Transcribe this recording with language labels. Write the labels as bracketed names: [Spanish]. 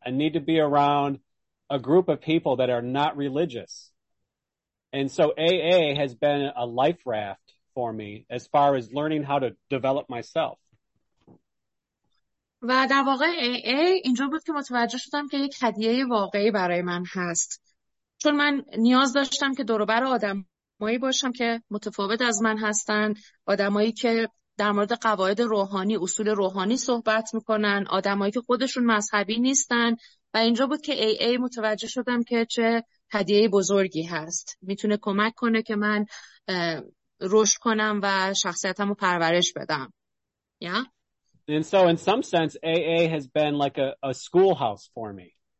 [English] I need to be around a group of people that are not religious. And so AA has been a life raft for me as far as learning how to develop myself. [Persian] و در واقع AA اینجا بود که متوجه شدم که یک هدیه واقعی برای من هست، چون من نیاز داشتم که دور و بر آدمایی باشم که متفاوت از من هستن، آدمایی که در مورد قواعد روحانی، اصول روحانی صحبت میکنن، آدمایی که خودشون مذهبی نیستن، و اینجا بود که AA متوجه شدم که چه هدیه بزرگی هست، میتونه کمک کنه که من رشد کنم و شخصیتم رو پرورش بدم. [English] Yeah? And so in some sense AA has been like a schoolhouse for me.